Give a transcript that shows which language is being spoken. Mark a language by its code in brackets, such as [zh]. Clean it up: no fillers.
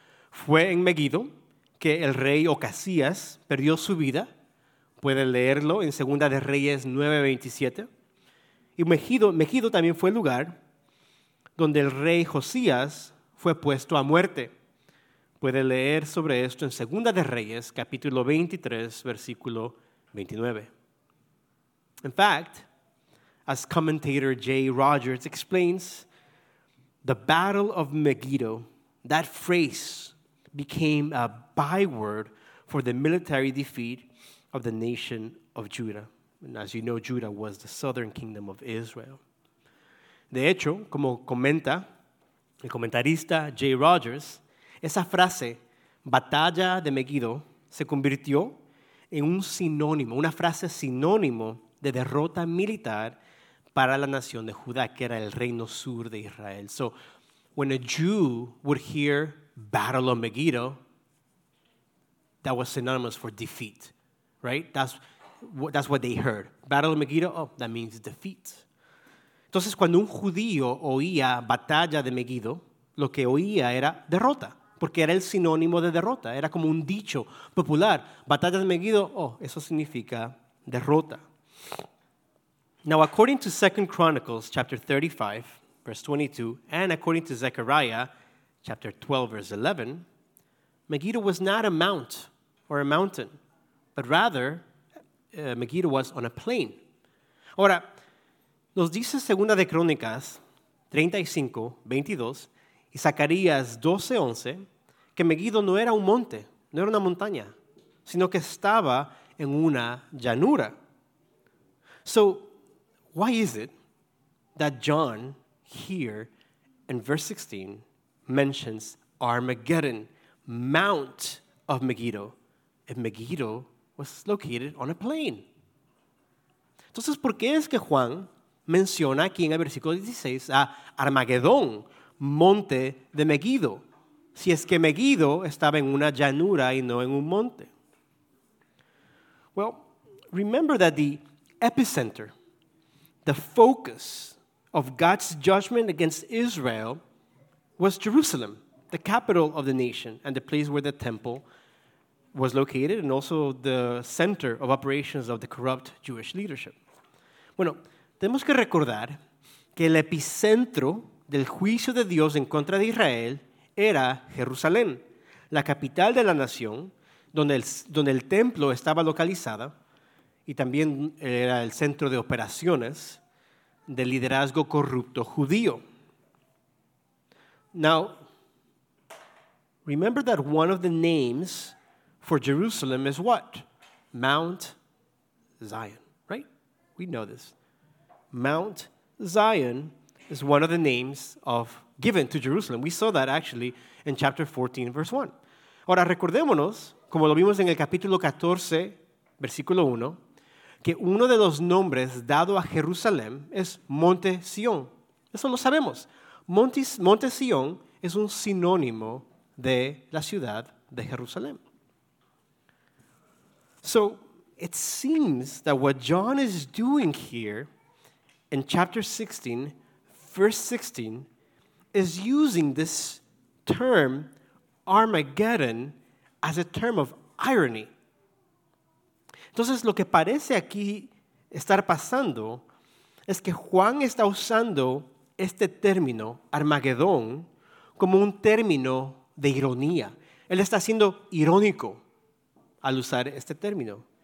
[es] Fue en Megiddo que el rey Ocasías perdió su vida. Puede leerlo en 2 de Reyes 9:27. Y Megiddo también fue el lugar donde el rey Josías fue puesto a muerte. puede leer sobre esto en Segunda de Reyes, capítulo 23, versículo 29. [en] In fact, as commentator J. Rogers explains, the Battle of Megiddo, that phrase became a byword for the military defeat of the nation of Judah. And as you know, Judah was the southern kingdom of Israel. [es] De hecho, como comenta el comentarista J. Rogers, esa frase, Batalla de Megiddo, se convirtió en un sinónimo, una frase sinónimo de derrota militar para la nación de Judá, que era el reino sur de Israel. [en] So, when a Jew would hear Battle of Megiddo, that was synonymous for defeat, right? That's what they heard. Battle of Megiddo, oh, that means defeat. [es] Entonces, cuando un judío oía Batalla de Megiddo, lo que oía era derrota, porque era el sinónimo de derrota. Era como un dicho popular. Batalla de Megiddo, oh, eso significa derrota. [en] Now, according to 2 Chronicles chapter 35, verse 22, and according to Zechariah chapter 12, verse 11, Megiddo was not a mount or a mountain, but rather Megiddo was on a plain. [es] Ahora, nos dice 2 de Crónicas 35, 22, y Zacarías 12, 11, que Megiddo no era un monte, no era una montaña, sino que estaba en una llanura. [en] So, why is it that John here in verse 16 mentions Armageddon, Mount of Megiddo, if Megiddo was located on a plain? [es] Entonces, ¿por qué es que Juan menciona aquí en el versículo 16 a Armagedón, monte de Megiddo, si es que Megiddo estaba en una llanura y no en un monte? [en] Well, remember that the epicenter, the focus of God's judgment against Israel was Jerusalem, the capital of the nation, and the place where the temple was located, and also the center of operations of the corrupt Jewish leadership. [es] Bueno, tenemos que recordar que el epicentro del juicio de Dios en contra de Israel era Jerusalén, la capital de la nación, donde el templo estaba localizado, y también era el centro de operaciones del liderazgo corrupto judío. [en] Now, remember that one of the names for Jerusalem is what? Mount Zion, right? We know this. Mount Zion is one of the names given to Jerusalem. We saw that actually in chapter 14, verse 1. [es] Ahora, recordémonos, como lo vimos en el capítulo 14, versículo 1, que uno de los nombres dado a Jerusalén es Monte Sion. Eso lo sabemos. Monte Sion es un sinónimo de la ciudad de Jerusalén. So, it seems that what John is doing here in chapter 16, verse 16, is using this term Armageddon as a term of irony. Entonces, lo que parece aquí estar pasando es que Juan está usando este término, Armagedón, como un término de ironía. Él está siendo irónico al usar este término.